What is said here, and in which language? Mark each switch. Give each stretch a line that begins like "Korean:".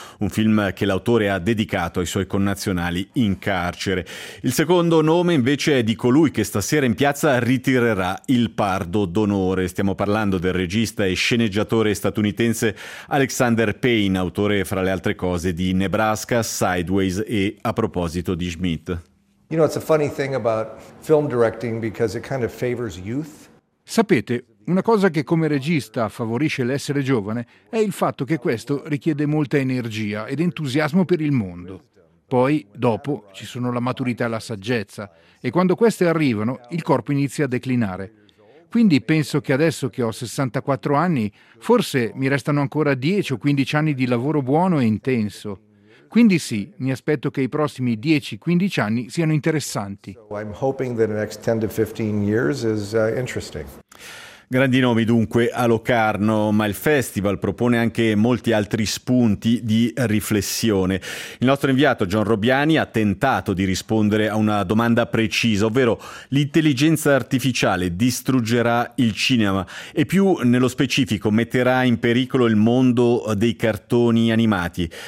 Italian: Un film che l'autore ha dedicato ai suoi connazionali in carcere. Il secondo nome invece è di colui che stasera in piazza ritirerà il Pardo d'Onore. Stiamo parlando del regista e sceneggiatore statunitense Alexander Payne, autore fra le altre cose di Nebraska, Sideways e A proposito di Schmidt.
English: You know, it's a funny thing about film directing because it kind of favors youth.
Italian: Sapete, una cosa che come regista favorisce l'essere giovane è il fatto che questo richiede molta energia ed entusiasmo per il mondo. Poi, dopo, ci sono la maturità e la saggezza, e quando queste arrivano, il corpo inizia a declinare. Quindi penso che adesso che ho 64 anni, forse mi restano ancora 10 o 15 anni di lavoro buono e intenso. Quindi sì, mi aspetto che i prossimi 10-15 anni siano interessanti.
English: I'm hoping that the next 10-15 years is interesting.
Italian: Grandi nomi dunque a Locarno, ma il festival propone anche molti altri spunti di riflessione. Il nostro inviato John Robiani ha tentato di rispondere a una domanda precisa, ovvero: l'intelligenza artificiale distruggerà il cinema e più nello specifico metterà in pericolo il mondo dei cartoni animati?